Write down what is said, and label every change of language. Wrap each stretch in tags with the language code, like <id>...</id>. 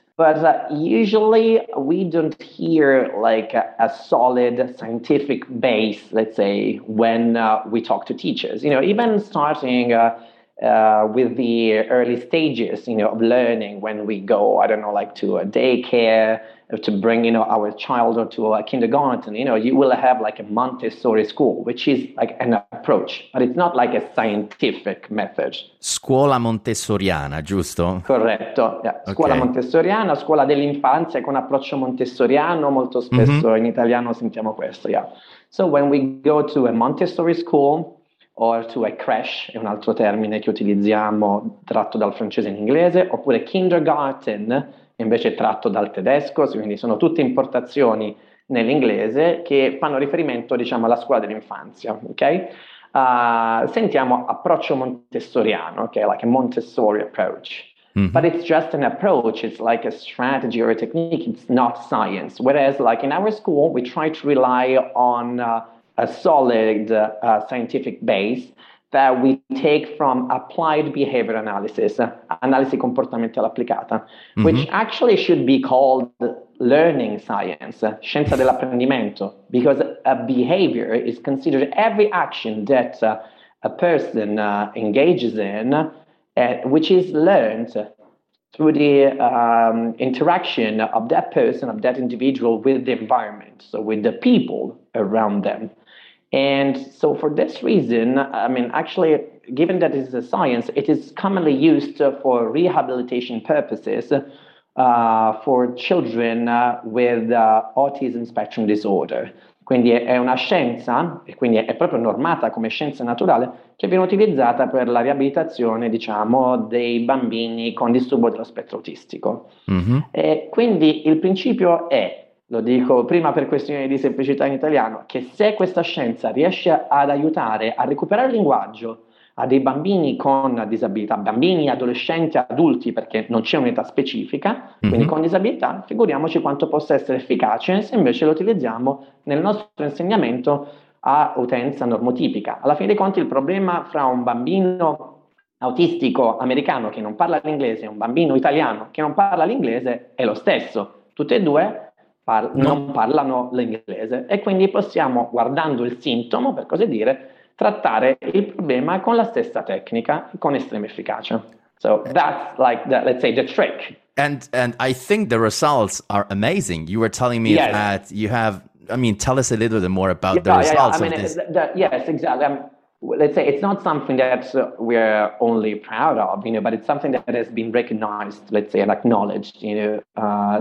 <en>But usually we don't hear like a solid scientific base, let's say, when we talk to teachers, you know, even starting with the early stages, you know, of learning, when we go, I don't know, like to a daycare, to bring, you know, our child or to a kindergarten, you know, you will have like a Montessori school, which is like an approach, but it's not like a scientific method.</en> <it>Scuola Montessoriana, giusto? Corretto. Yeah. Scuola Montessoriana, scuola dell'infanzia con approccio montessoriano. Molto spesso in italiano sentiamo questo, yeah.</it> <en>So when we go to a Montessori school or to a crèche,</en> <it>è un altro termine che utilizziamo tratto dal francese in inglese, oppure kindergarten, invece tratto dal tedesco, quindi sono tutte importazioni nell'inglese che fanno riferimento, diciamo, alla scuola dell'infanzia, ok? Sentiamo approccio montessoriano, ok?</it> <en>Like a Montessori approach. Mm-hmm. But it's just an approach, it's like a strategy or a technique, it's not science. Whereas, like, in our school, we try to rely on a solid scientific base that we take from applied behavior analysis,</en> <it>analisi comportamentale applicata,</it> <en>mm-hmm. which actually should be called learning science,</en> <it>scienza dell'apprendimento,</it> <en>because a behavior is considered every action that a person engages in, which is learned through the interaction of that person, of that individual with the environment, so with the people around them. And so for this reason, I mean, actually, given that this is a science, it is commonly used for rehabilitation purposes for children with autism spectrum disorder.</en> <it>Quindi è una scienza, e quindi è proprio normata come scienza naturale, che viene utilizzata per la riabilitazione, diciamo, dei bambini con disturbo dello spettro autistico. Mm-hmm. E quindi il principio è, lo dico prima per questione di semplicità in italiano, che se questa scienza riesce ad aiutare a recuperare il linguaggio a dei bambini con disabilità, bambini, adolescenti, adulti, perché non c'è un'età specifica, mm-hmm. quindi con disabilità, figuriamoci quanto possa essere efficace se invece lo utilizziamo nel nostro insegnamento a utenza normotipica. Alla fine dei conti il problema fra un bambino autistico americano che non parla l'inglese e un bambino italiano che non parla l'inglese è lo stesso. Tutte e due non parlano l'inglese, e quindi possiamo, guardando il sintomo, per così dire, trattare il problema con la stessa tecnica, con estrema efficacia.</it> <en>So that's like the, let's say, the trick. And I think the results are amazing. You were telling me that you have I mean, tell us a little bit more about the results of this. Yes, exactly. Let's say it's not something that we're only proud of, you know, but it's something that has been recognized, let's say, and acknowledged, you know.</en>